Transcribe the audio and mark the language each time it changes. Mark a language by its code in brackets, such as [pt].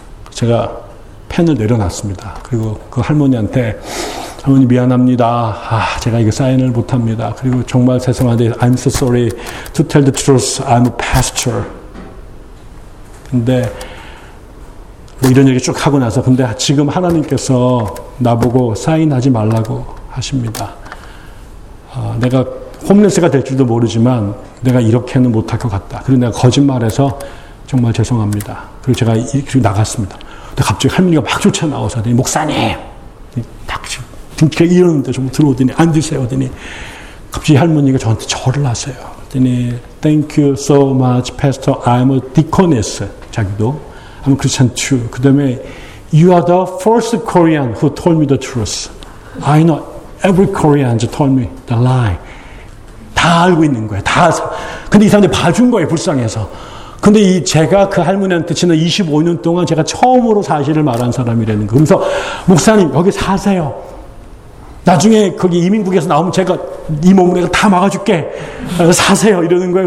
[ko] 제가 펜을 내려놨습니다. 그리고 그 할머니한테 할머니 미안합니다. 제가 이거 사인을 못합니다. 그리고 정말 죄송한데 [en] I'm so sorry to tell the truth. I'm a pastor. [ko] 근데 뭐 이런 얘기 쭉 하고 나서 근데 지금 하나님께서 나보고 사인하지 말라고 하십니다. 내가 홈리스가 될 줄도 모르지만 내가 이렇게는 못할 것 같다. 그리고 내가 거짓말해서 정말 죄송합니다. 그리고 제가 이렇게 나갔습니다. 근데 갑자기 할머니가 막 쫓아나와서 하더니 목사님 딱 등치가 이러는데 좀 들어오더니 앉으세요 하더니 갑자기 할머니가 저한테 절을 하세요. 그랬더니 [en] Thank you so much, Pastor. I'm a deaconess. [ko] 자기도 [en] I'm a Christian too. [ko] 그 다음에 [en] You are the first Korean who told me the truth. I know every Korean told me the lie. [ko] 다 알고 있는 거예요. 다. 근데 이 사람들이 봐준 거예요. 불쌍해서. 근데 이 제가 그 할머니한테 지난 25년 동안 제가 처음으로 사실을 말한 사람이라는 거. 그래서 목사님 여기 사세요. 나중에 거기 이민국에서 나오면 제가 이 몸을 내가 다 막아줄게. 사세요. 이러는 거예요.